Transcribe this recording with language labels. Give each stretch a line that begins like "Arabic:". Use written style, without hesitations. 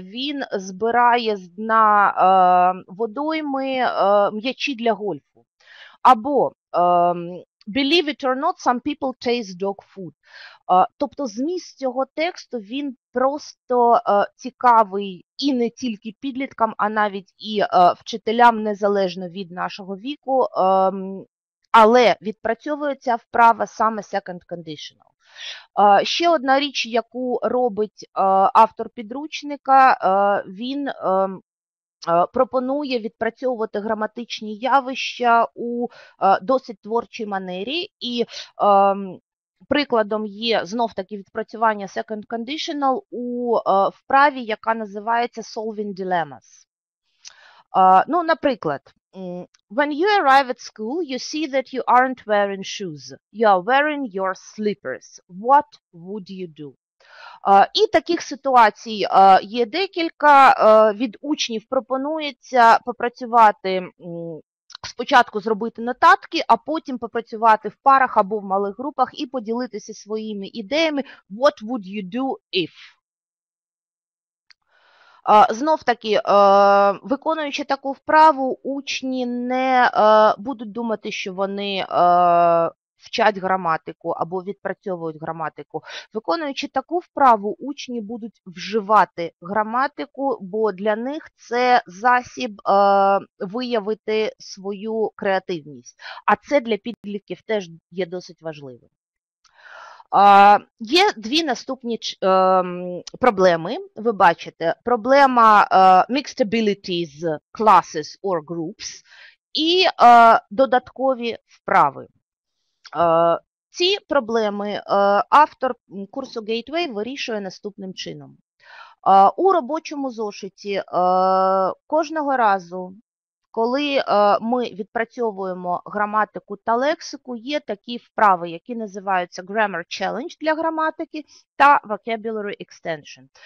Ukrainian: Він збирає з дна водойми м'ячі для гольфу. Або
English: believe it or not, some people taste dog food.
Ukrainian: Тобто зміст цього тексту, він просто цікавий і не тільки підліткам, а навіть і вчителям, незалежно від нашого віку. Але відпрацьовується вправа саме second conditional. Ще одна річ, яку робить автор підручника, він пропонує відпрацьовувати граматичні явища у досить творчій манері. І прикладом є, знов-таки, відпрацювання second conditional у вправі, яка називається solving dilemmas.
English: Ну, наприклад, when you arrive at school, you see that you aren't wearing shoes. You are wearing your slippers. What would you do?
Ukrainian: І таких ситуацій є декілька. Від учнів пропонується попрацювати, спочатку зробити нотатки, а потім попрацювати в парах або в малих групах і поділитися своїми ідеями.
English: What would you do if?
Ukrainian: Знов-таки, виконуючи таку вправу, учні не будуть думати, що вони вчать граматику або відпрацьовують граматику. Виконуючи таку вправу, учні будуть вживати граматику, бо для них це засіб виявити свою креативність. А це для підлітків теж є досить важливим. Є дві наступні проблеми, ви бачите. Проблема
English: mixed abilities, classes or groups
Ukrainian: і додаткові вправи. Ці проблеми автор курсу Gateway вирішує наступним чином. У робочому зошиті кожного разу, Коли ми відпрацьовуємо граматику та лексику, є такі вправи, які називаються Grammar Challenge для граматики та Vocabulary Extension.